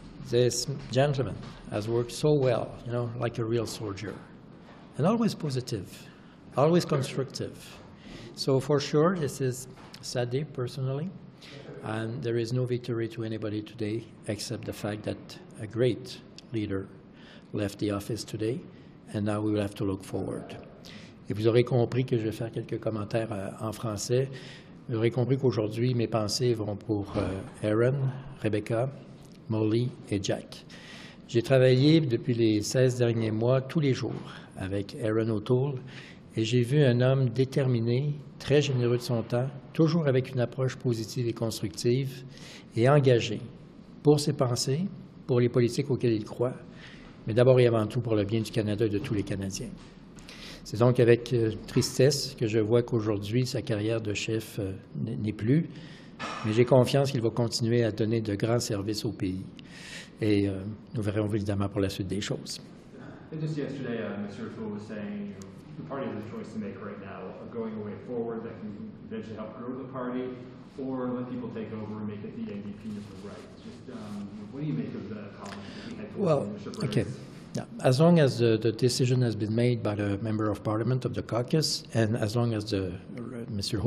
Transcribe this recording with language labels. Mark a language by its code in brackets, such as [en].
[en] This gentleman has worked so well, you know, like a real soldier, and always positive, always constructive. So for sure, this is a sad day personally, and there is no victory to anybody today except the fact that a great leader left the office today, and now we will have to look forward. [fr] Et vous aurez compris que je vais faire quelques commentaires en français. Vous aurez compris qu'aujourd'hui, mes pensées vont pour Aaron, Rebecca, Molly et Jack. J'ai travaillé depuis les 16 derniers mois, tous les jours, avec Aaron O'Toole, et j'ai vu un homme déterminé, très généreux de son temps, toujours avec une approche positive et constructive, et engagé pour ses pensées, pour les politiques auxquelles il croit, mais d'abord et avant tout pour le bien du Canada et de tous les Canadiens. C'est donc avec tristesse que je vois qu'aujourd'hui, sa carrière de chef n'est plus, mais j'ai confiance qu'il va continuer à donner de grands services au pays. Et nous verrons évidemment pour la suite des choses. Et juste [en] yesterday, Mr. Fu was saying, the party has a choice to make right now, of going a way forward that can eventually help grow the party, or let people take over and make it the NDP of the right. Just, what do you make of the comments? Well, okay. Now, as long as the decision has been made by the Member of Parliament of the caucus, and as long as Mr.